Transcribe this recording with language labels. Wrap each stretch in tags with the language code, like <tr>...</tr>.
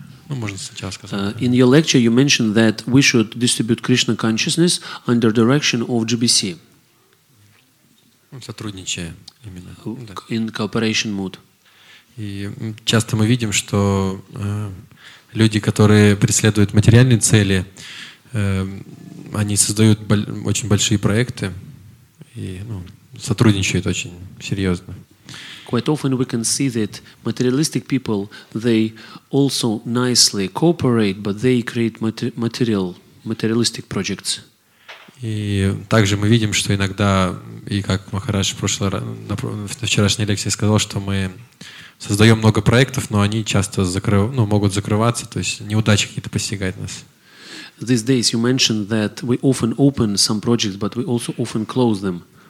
<en>In your lecture, you mentioned that we should distribute Krishna consciousness under direction of GBC.</en> <ru>Сотрудничая именно.</ru> <en>In cooperation mood.</en> <ru>И часто мы видим, что люди, которые преследуют материальные цели, они создают очень большие проекты и сотрудничают очень серьезно.</ru> <en>Quite often we can see that materialistic people, they also nicely cooperate, but they create materialistic projects.</en> <ru>И также мы видим, что иногда, и как Махарадж на вчерашней лекции сказал, что мы создаем много проектов, но они часто могут закрываться, то есть неудачи какие-то постигают нас.</ru> <en>These days you mentioned that we often open some projects, but we also often close them.</en>